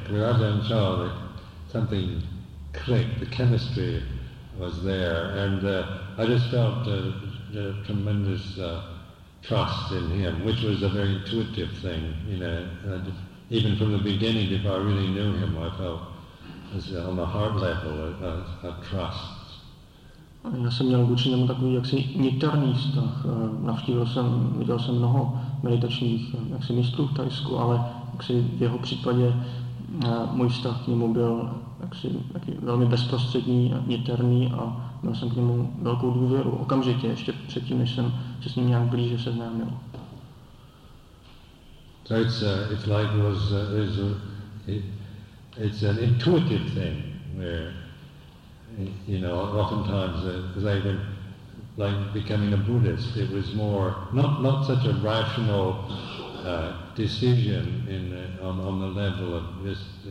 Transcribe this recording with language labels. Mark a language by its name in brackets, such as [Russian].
[English] With Ajahn Chah, something clicked, the chemistry was there, and I just felt a tremendous trust in him, which was a very intuitive thing, you know. And even from the beginning, before I really knew him, I felt, as on the heart level, a trust. [Czech] Já jsem měl vůči němu takový jaksi niterný vztah. Viděl jsem mnoho meditačních jaksi mistrů v Thajsku, ale jaksi v jeho případě můj vztah k němu byl taky velmi bezprostřední a niterný a měl jsem k němu velkou důvěru okamžitě, ještě předtím, než jsem se s ním nějak blíže seznámil. [English] So it's an intuitive thing where, you know, oftentimes as I even like becoming a Buddhist, it was more not such a rational decision on the level of just